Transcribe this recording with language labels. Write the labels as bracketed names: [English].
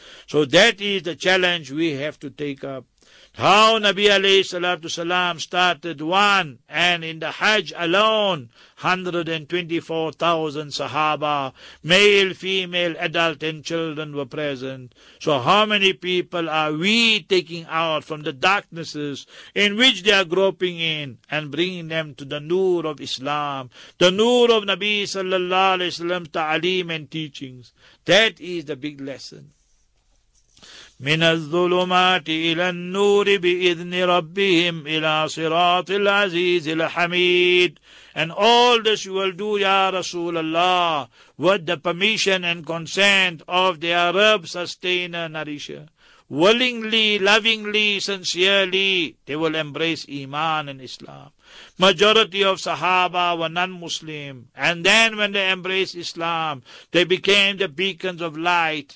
[English] So that is the challenge we have to take up. How Nabi alayhi salatu salam started one, and in the Hajj alone, 124,000 Sahaba, male, female, adult and children were present. So how many people are we taking out from the darknesses in which they are groping in and bringing them to the nur of Islam, the nur of Nabi sallallahu alayhi salam ta'aleem and teachings? That is the big lesson. [Arabic] من الظلمات إلى النور بإذن ربهم إلى صراط العزيز الحميد. [English] And all this you will do, Ya Rasulullah, with the permission and consent of the Arab sustainer, Narisha. Willingly, lovingly, sincerely, they will embrace Iman and Islam. Majority of Sahaba were non-Muslim. And then when they embraced Islam, they became the beacons of light.